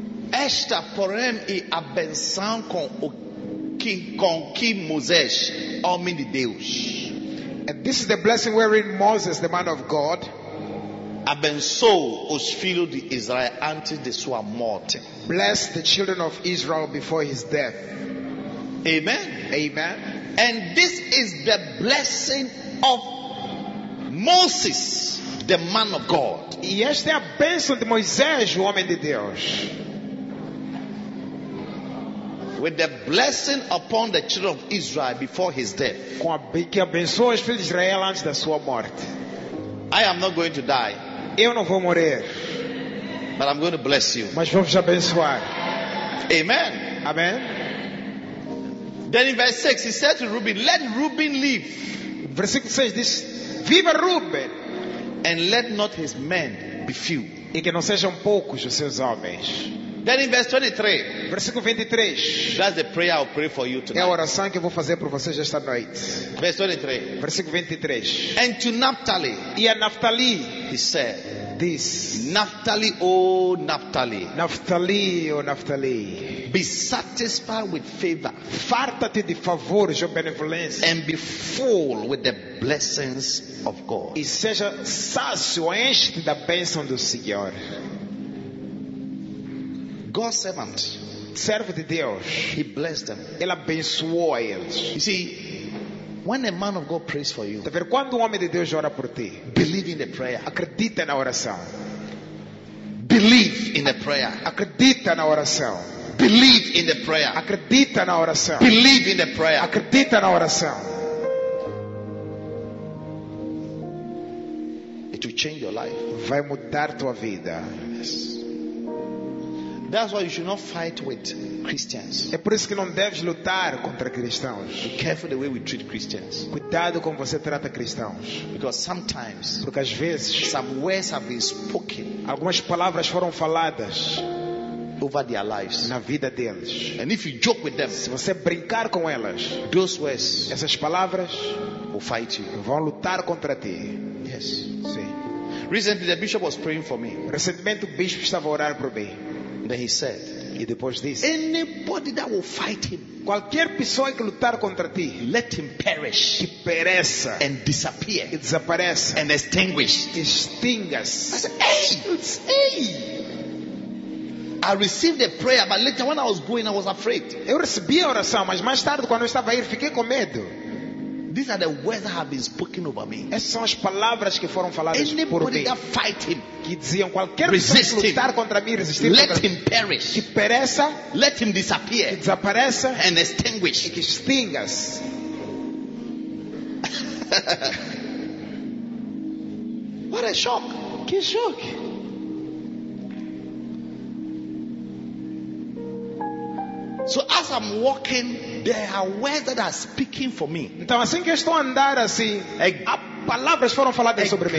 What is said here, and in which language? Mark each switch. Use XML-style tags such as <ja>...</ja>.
<pt>Esta porém é a benção com que Moisés, homem de Deus.</pt> <en>And this is the blessing wherein Moses, the man of God,</en> <pt>abençoou os filhos de Israel antes de sua morte.</pt> <en>Bless the children of Israel before his death. Amen.</en> <pt>Amen.</pt> <en>And this is the blessing of Moses, the man of God.</en> <pt>E esta é a bênção de Moisés, o homem de Deus.</pt> <en>With the blessing upon the children of Israel before his death.</en> <pt>Com a que abençoou os filhos de Israel antes da sua morte.</pt> <en>I am not going to die.</en> <pt>Eu não vou morrer.</pt> <en>But I'm going to bless you.</en> <pt>Mas vou vos abençoar.</pt> <en>Amen.</en> <pt>Amen.</pt> <en>Then in verse 6 he said to Reuben, let Reuben live.</en> <pt>Versículo 6 diz, viva Reuben.</pt> <en>And let not his men be few.</en> <pt>E que não sejam poucos os seus homens.</pt> <en>Then in verse 23.</en> <pt>Versículo 23.</pt> <en>That's the prayer I'll pray for you tonight.</en> <pt>É a oração que eu vou fazer para vocês esta noite.</pt> <en>Verse 23.</en> <pt>Versículo 23.</pt> <en>And to Naphtali.</en> <pt>E a Naphtali.</pt> <en>He said. This. Naphtali, oh Naphtali.</en> <pt>Naphtali, oh Naphtali.</pt> <en>Be satisfied with favor.</en> <pt>Farta-te de favores, oh benevolência.</pt> <en>And be full with the blessings of God.</en> <pt>E seja sácio, enche-te da bênção do Senhor.</pt> <en>God's servant,</en> <pt>serve de Deus.</pt> <en>He blessed them.</en> <pt>Ele abençoou eles.</pt> <en>You see, when a man of God prays for you,</en> <pt>tá vendo? Quando um homem de Deus ora por ti,</pt> <en>believe in the prayer.</en> <pt>Acredita na oração.</pt> <en>Believe in the prayer.</en> <pt>Acredita na oração.</pt> <en>Believe in the prayer.</en> <pt>Acredita na oração.</pt> <en>Believe in the prayer.</en> <pt>Acredita na oração.</pt> <en>It will change your life.</en> <pt>Vai mudar tua vida.</pt> <en>Yes. That's why you should not fight with Christians.</en> <pt>É por isso que não deves lutar contra cristãos.</pt> <en>Be careful the way we treat Christians.</en> <pt>Cuidado como você trata cristãos.</pt> <en>Because sometimes,</en> <pt>porque às vezes,</pt> <en>some words have been spoken.</en> <pt>Algumas palavras foram faladas</pt> <en>over their lives.</en> <pt>Na vida deles.</pt> <en>And if you joke with them,</en> <pt>se você brincar com elas,</pt> <en>those words,</en> <pt>essas palavras,</pt> <en>will fight you.</en> <pt>Vão lutar contra ti.</pt> <en>Yes.</en> <pt>Sim.</pt> <en>Recently, the bishop was praying for me.</en> <pt>Recentemente o bispo estava a orar por mim.</pt> <en>Then he said,</en> <pt>e depois disse,</pt> <en>anybody that will fight him,</en> <pt>qualquer pessoa que lutar contra ti,</pt> <en>let him perish,</en> <pt>que pereça,</pt> <en>and disappear,</en> <pt>que desapareça,</pt> <en>and extinguish,</en> <pt>extinga-se.</pt> <en>I said, hey! I received a prayer, but later when I was going, I was afraid.</en> <pt>Eu recebi a oração, mas mais tarde quando eu estava a ir, fiquei com medo.</pt> <en>These are the words that have been spoken over me.</en> <pt>Essas são as palavras que foram faladas por mim.</pt> <en>That fight him,</en> <pt>que diziam qualquer pessoa que lutar contra mim, resistir.</pt> <en>Let</en> <pt>contra</pt> <en>him perish,</en> <pt>que pereça.</pt> <en>Let him disappear,</en> <pt>que desapareça.</pt> <en>And extinguish,</en> <pt>e que extinga.</pt> <en>What a shock!</en> <pt>Que choque!</pt> <en>So as I'm walking, there are words that are speaking for me.</en> <pt>Então assim que estou a andar assim, palavras foram faladas sobre mim.</pt>